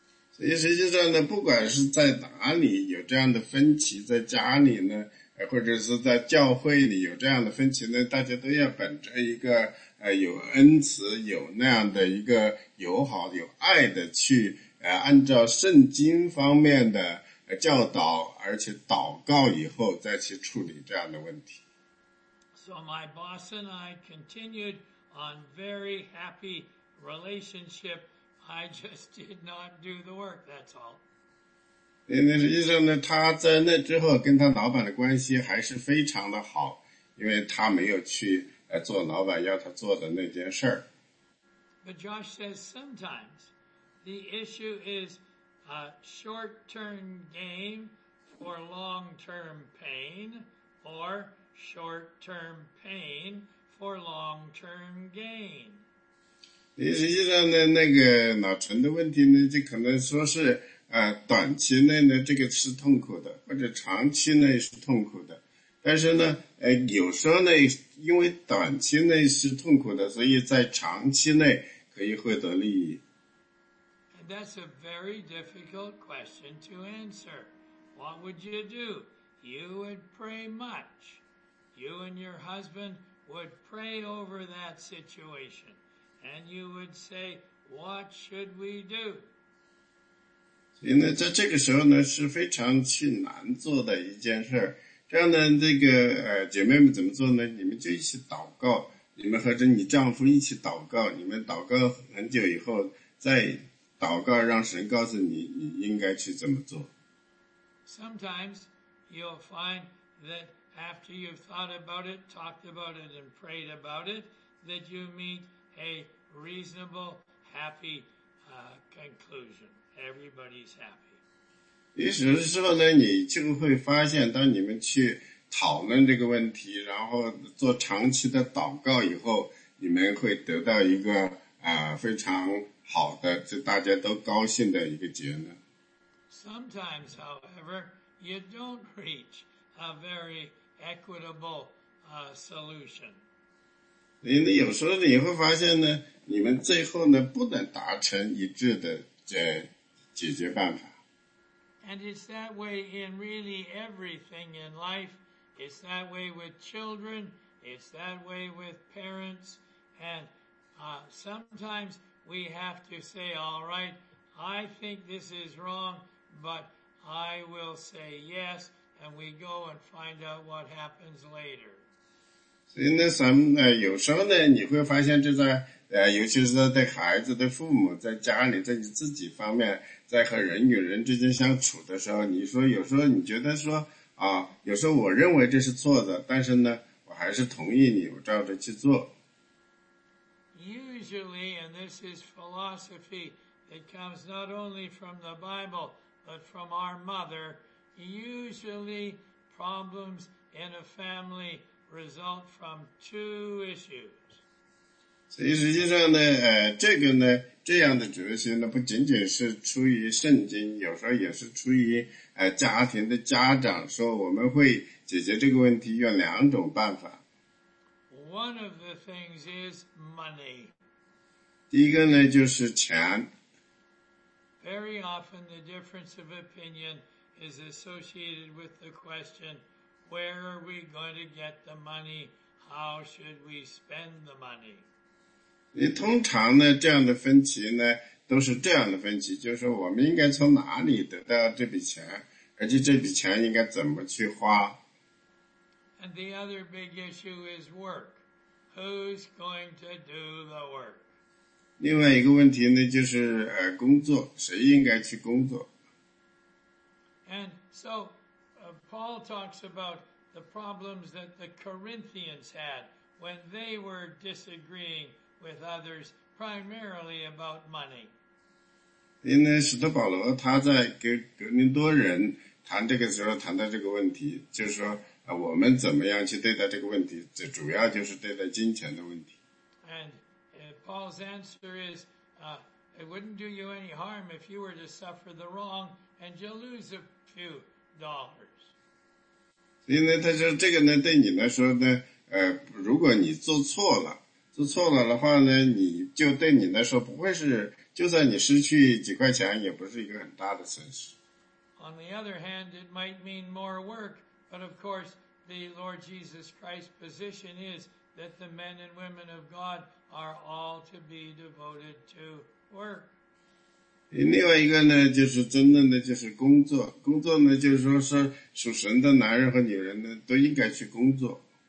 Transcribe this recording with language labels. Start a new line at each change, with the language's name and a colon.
Chinese: 所以实际上呢，不管是在哪里有这样的分歧，在家里呢，或者是在教会里有这样的分歧呢，大家都要本着一个有恩慈、有那样的一个友好、有爱的去按照圣经方面的教导，而且祷告以后再去处理这样的问题。
English: So my boss and I continued on very happy relationship. I just did not do the work, that's all.
Chinese: 因为实际上呢，他在那之后跟他老板的关系还是非常的好，因为他没有去做老板要他做的那件事。
English: But Josh says sometimes the issue is a short-term gain for long-term pain or short-term pain for long-term gain.
Chinese: 实际上呢，那个老陈的问题呢，就可能说是，短期内呢，这个是痛苦的，或者长期内是痛苦的。但是呢，有时候呢，因为短期内是痛苦的，所以在长期内可以获得利益。
English: And that's a very difficult question to answer. What would you do? You would pray much. You and your husband would pray over that situation. And you would say, what should we do?
Chinese: 所以呢，在这个时候呢，是非常去难做的一件事。这样呢，这个姐妹们怎么做呢？你们就一起祷告，你们和着你丈夫一起祷告，你们祷告很久以后，再祷告让神告诉你，你应该去怎么做。
English: Sometimes you'll find that after you've thought about it, talked about it, and prayed about it, that you meet... A reasonable, happy, conclusion. Everybody's happy.
Chinese: 于是之后呢，你就会发现，当你们去讨论这个问题，然后做长期的祷告以后，你们会得到一个非常好的，就大家都高兴的一个结论。
English: Sometimes, however, you don't reach a very equitable, solution.
Chinese: 因为有时候你会发现呢，你们最后呢不能达成一致的解决办法。
English: And it's that way in really everything in life. It's that way with children. It's that way with parents. And sometimes we have to say, "All right, I think this is wrong, but I will say yes." And we go and find out what happens later.
Chinese: 所以呢，咱们有时候呢，你会发现，就在尤其是在对孩子的父母，在家里，在你自己方面，在和人与人之间相处的时候，你说有时候你觉得说啊，有时候我认为这是错的，但是呢，我还是同意你，我照着去做。
English: Usually, and this is philosophy that comes not only from the Bible but from our mother. Usually, problems in a family. Result from two issues.
Chinese: 所以实际上呢，这个呢，这样的哲学呢，不仅仅是出于圣经，有时候也是出于家庭的家长说我们会解决这个问题用两种办法。
English: One of the things is money.
Chinese: 第一个呢就是钱。
English: Very often the difference of opinion is associated with the question. Where are we going to get the money? How should we spend the money?
Chinese: 你通常呢，这样的分歧呢，都是这样的分歧，就是说我们应该从哪里得到这笔钱，而且这笔钱应该怎么去花。
English: And the other big issue is work. Who's going to do the work?
Chinese: 另外一个问题呢，就是工作，谁应该去工作。
English: And so Paul talks about the problems that the Corinthians had when they were disagreeing with others, primarily about money.
Chinese: 因为使徒保罗他在跟格林多人谈这个时候谈到这个问题，就是说我们怎么样去对待这个问题，这主要就是对待金钱的问题。
English: And Paul's answer is, it wouldn't do you any harm if you were to suffer the wrong and you lose a few dollars.
Chinese: 因为他说这个呢，对你来说呢，如果你做错了，做错了的话呢，你就对你来说不会是，就算你失去几块钱，也不是一个很大的损失。
English: On the other hand, it might mean more work, but of course, the Lord Jesus Christ's position is that the men and women of God are all to be devoted to work.
Chinese: 另外一个呢，就是真正的就是工作。工作呢，就是说是属神的男人和女人呢，都应该去工作。